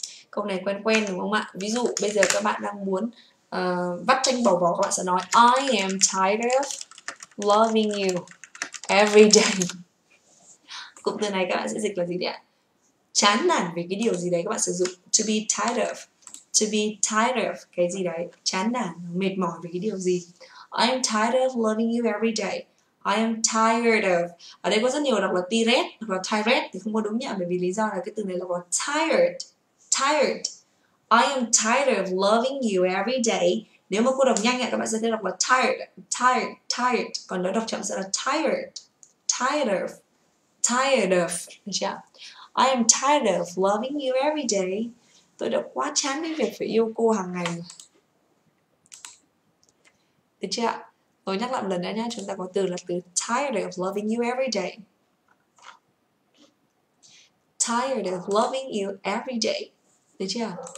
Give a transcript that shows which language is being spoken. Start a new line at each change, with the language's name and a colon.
Vietnamese: Câu này quen quen đúng không ạ? Ví dụ bây giờ các bạn đang muốn vắt chanh bầu bỏ, các bạn sẽ nói
English: I am tired of loving you every day.
Vietnamese: Cụm từ này các bạn sẽ dịch là gì đấy ạ? Chán nản về cái điều gì đấy, các bạn sử dụng to be tired of. To be tired of cái gì đấy, chán nản, mệt mỏi về cái điều gì.
English: I am tired of loving you every day. I am tired of.
Vietnamese: Ở đây có rất nhiều đọc là tired hoặc là tired thì không có đúng nhỉ, bởi vì lý do là cái từ này là có tired.
English: Tired. I am tired of loving you every day.
Vietnamese: Nếu mà cô đọc nhanh nhẹ các bạn sẽ đọc là tired, tired, tired. Còn nếu đọc chậm sẽ là tired, tired of, tired of. Được chưa?
English: I am tired of loving you every day.
Vietnamese: Tôi đã quá chán với việc phải yêu cô hàng ngày. Được chưa? Tôi nhắc lại một lần nữa nhé. Chúng ta có từ là từ
English: tired of loving you every day. Tired of loving you every day.
Vietnamese: Được chưa?